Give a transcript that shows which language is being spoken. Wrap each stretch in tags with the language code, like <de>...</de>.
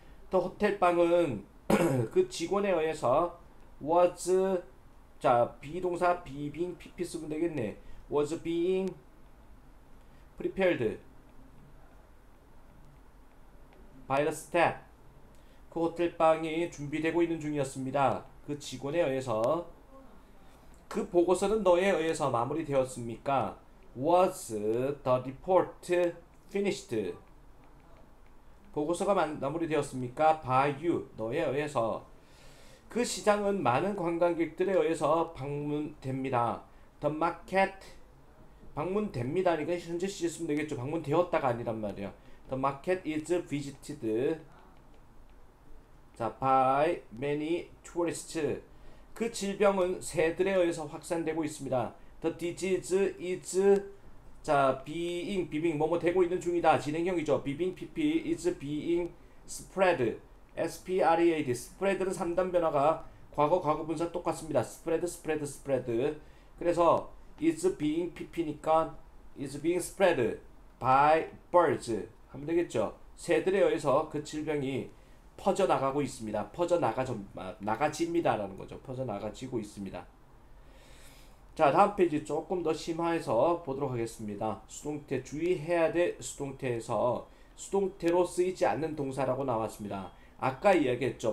<ko>The 호텔 방은 그 직원에 의해서 was 자 비동사 being PP 쓰면 되겠네.</ko> <en>was being prepared by the staff.</en> <ko>그 호텔 방이 준비되고 있는 중이었습니다. 그 직원에 의해서 그 보고서는 너에 의해서 마무리되었습니까?</ko> <en>Was the report finished?</en> <ko>보고서가 마무리되었습니까?</ko> <en>By you,</en> <ko>너에 의해서 그 시장은 많은 관광객들에 의해서 방문됩니다.</ko> <en>The market</en> <ko>방문됩니다니까 현재 시제 쓰면 되겠죠. 방문되었다가 아니란 말이야.</ko> <en>The market is visited 자, by many tourists.</en> <ko>그 질병은 새들에 의해서 확산되고 있습니다.</ko> <en>The disease is</en> <ko>자, being 뭐뭐 되고 있는 중이다. 진행형이죠.</ko> <en>being PP is being spread. SPREAD.</en> <ko>spread는 3단 변화가 과거 과거 분사 똑같습니다.</ko> <en>spread.</en> <ko>그래서</ko> <en>is being PP니까 is being spread by birds.</en> <ko>하면 되겠죠. 새들에 의해서 그 질병이 퍼져나가고 있습니다. 나가집니다라는 거죠. 퍼져나가지고 있습니다. 자, 다음 페이지 조금 더 심화해서 보도록 하겠습니다. 수동태, 주의해야 될 수동태에서 수동태로 쓰이지 않는 동사라고 나왔습니다. 아까 이야기했죠.</ko>